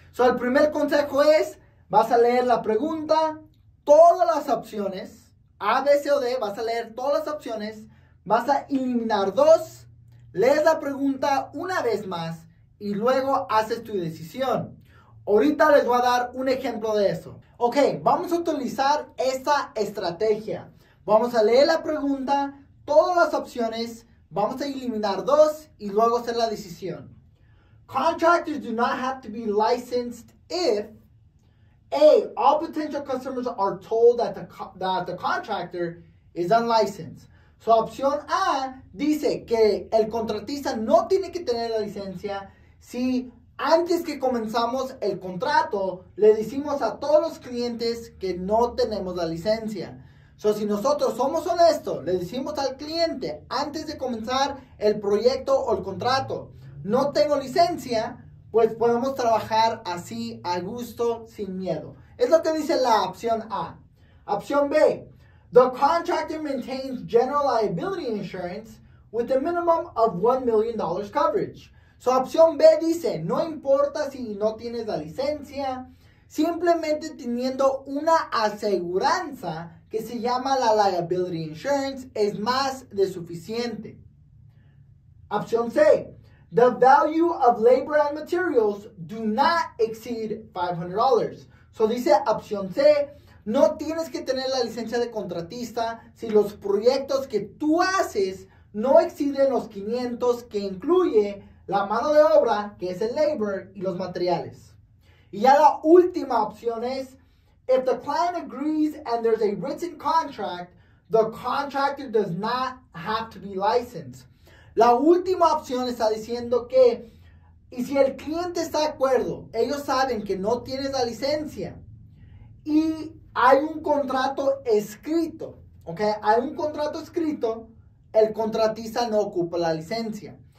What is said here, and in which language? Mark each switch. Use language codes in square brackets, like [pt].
[es] So, el primer consejo es, vas a leer la pregunta, todas las opciones, A, B, C o D, vas a leer todas las opciones, vas a eliminar 2, lees la pregunta una vez más y luego haces tu decisión. Ahorita les voy a dar un ejemplo de eso. Ok, vamos a utilizar esta estrategia. Vamos a leer la pregunta, todas las opciones, vamos a eliminar 2 y luego hacer la decisión. [en] Contractors do not have to be licensed if A, all potential customers are told that the contractor is unlicensed. [es] So, opción A dice que el contratista no tiene que tener la licencia si antes que comenzamos el contrato le decimos a todos los clientes que no tenemos la licencia. So, si nosotros somos honestos, le decimos al cliente antes de comenzar el proyecto o el contrato, no tengo licencia, pues podemos trabajar así a gusto, sin miedo. Es lo que dice la opción A. Opción B. [en] The contractor maintains general liability insurance with a minimum of $1 million coverage. [es] So, opción B dice, no importa si no tienes la licencia, simplemente teniendo una aseguranza que se llama la liability insurance es más de suficiente. Opción C. [en] The value of labor and materials do not exceed $500. [es] So dice opción C, no tienes que tener la licencia de contratista si los proyectos que tú haces no exceden los 500 que incluye la mano de obra, que es el labor, y los materiales. Y ya la última opción es, [en] if the client agrees and there's a written contract, the contractor does not have to be licensed. [es] La última opción está diciendo que, y si el cliente está de acuerdo, ellos saben que no tienes la licencia y hay un contrato escrito, ¿ok? Hay un contrato escrito, el contratista no ocupa la licencia.